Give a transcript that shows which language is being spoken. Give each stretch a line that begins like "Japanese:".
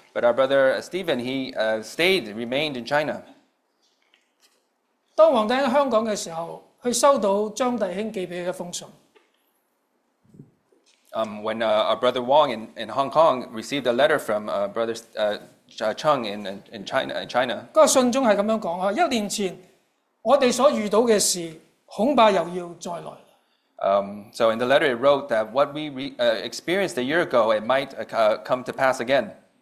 English: But our brother Stephen, he remained in China.
Chinese: 當王弟兄在香港的時候, 他收到張弟兄寄給他的封信.
English: When our brother Wong in Hong Kong received a letter from brother Cheng in China.
Chinese: 那個信中是這樣說, 1年前我們所遇到的事恐怕又要再來.
English: So in the letter it wrote that what we experienced a year ago, it might come to pass again.